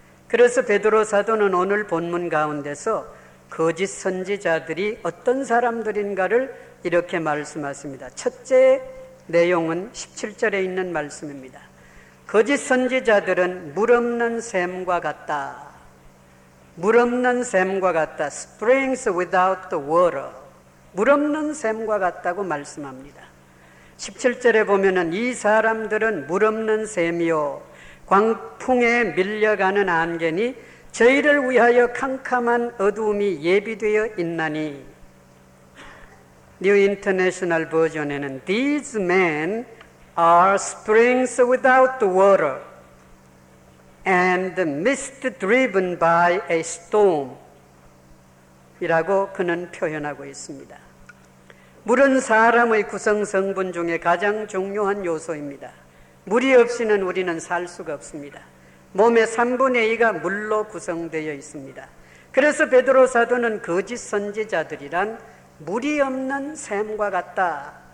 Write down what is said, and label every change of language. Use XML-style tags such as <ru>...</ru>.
<ko>그래서 베드로 사도는 오늘 본문 가운데서 거짓 선지자들이 어떤 사람들인가를 이렇게 말씀하십니다. 첫째 내용은 17절에 있는 말씀입니다. 거짓 선지자들은 물 없는 샘과 같다. 물 없는 샘과 같다.</ko> <en>Springs without the water.</en> <ko>물 없는 샘과 같다고 말씀합니다. 17절에 보면은 이 사람들은 물 없는 샘이요 광풍에 밀려가는 안개니 저희를 위하여 캄캄한 어두움이 예비되어 있나니. New International Version에는</ko> <en>These men are springs without the water and mist driven by a storm</en> <ko>이라고 그는 표현하고 있습니다. 물은 사람의 구성 성분 중에 가장 중요한 요소입니다. 물이 없이는 우리는 살 수가 없습니다. 몸의 3분의 2가 물로 구성되어 있습니다. 그래서 베드로 사도는 거짓 선지자들이란 물이 없는 샘과 같다.</ko>